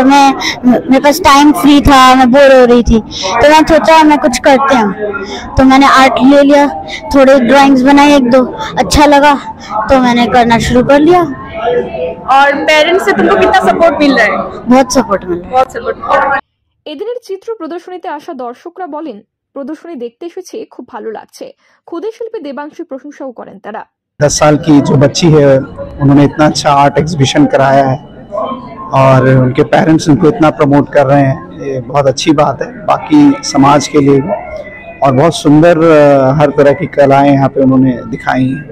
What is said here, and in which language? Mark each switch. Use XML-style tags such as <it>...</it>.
<hi>में मेरे पास time free था, मैं बोर हो रही थी, तो मैं सोचा मैं कुछ करते हूँ, तो मैंने आर्ट ले लिया, थोड़े ड्राइंग्स बनाए, एक दो अच्छा लगा तो मैंने करना शुरू कर लिया। और पेरेंट्स से तुमको कितना सपोर्ट मिल रहा है? बहुत सपोर्ट मिल रहा है।</hi> <bn>এদিনের চিত্র প্রদর্শনীতে আসা দর্শকরা বলেন, প্রদর্শনী দেখতে এসেছে, খুব ভালো লাগছে। খুদে শিল্পী দেবাংশী প্রশংসাও করেন তারা।</bn> <hi>10 সাল কি যে বাচ্চি হে, উনোনে ইতনা আচ্ছা আর্ট এক্সিবিশন করায়া হ্যায়, और उनके पेरेंट्स उनको इतना प्रमोट कर रहे हैं, ये बहुत अच्छी बात है बाकी समाज के लिए भी। और बहुत सुंदर हर तरह की कलाएं यहाँ पे उन्होंने दिखाई।</hi>